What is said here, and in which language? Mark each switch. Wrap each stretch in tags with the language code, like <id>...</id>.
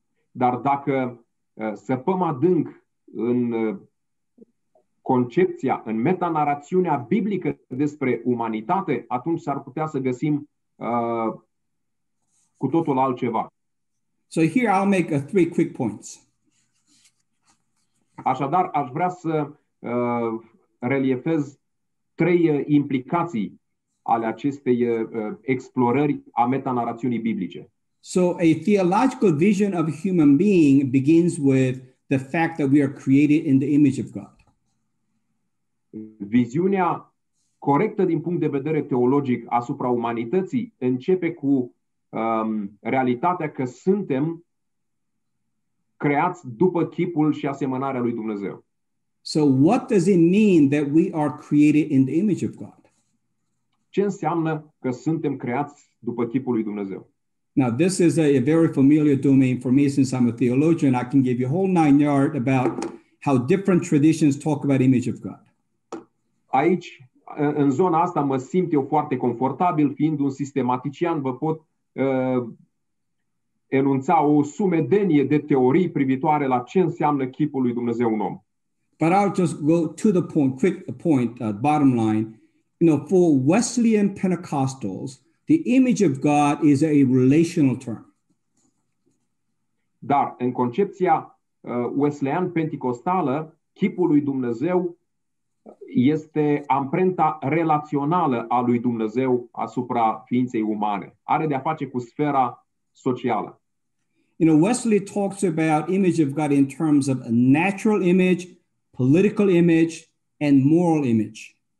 <ro>Dar dacă săpăm adânc în concepția, în metanarațiunea biblică despre umanitate, atunci s-ar putea să găsim cu totul altceva.</ro> <en>So here I'll make three quick points.</en> <ro>Așadar, aș vrea să reliefez trei implicații ale acestei explorări a metanarațiunii biblice.</ro> <en>So a theological vision of a human being begins with the fact that we are created in the image of God.</en> <ro>Viziunea corectă din punct de vedere teologic asupra umanității începe cu realitatea că suntem creați după chipul și asemănarea lui Dumnezeu.</ro> <en>So what does it mean that we are created in the image of God?</en> <ro>Ce înseamnă că suntem creați după chipul lui Dumnezeu?</ro> <en>Now, this is a very familiar domain for me since I'm a theologian. I can give you a whole nine yard about how different traditions talk about image of God.</en> <ro>Aici, în zona asta, mă simt eu foarte confortabil, fiind un sistematician, vă pot enunța o sumedenie de teorii privitoare la ce înseamnă chipul lui Dumnezeu un om.</ro> <en>But I'll just go to the point, quick point, bottom line. You know, for Wesleyan Pentecostals, the image of God is a relational term.</en> <ro>Dar în concepția Wesleyan Pentecostală, chipul lui Dumnezeu este amprenta relațională a lui Dumnezeu asupra ființei umane. Are de a face cu sfera socială.</ro> <en>You know, Wesley talks about image of God in terms of a natural image, political image and moral image.</en>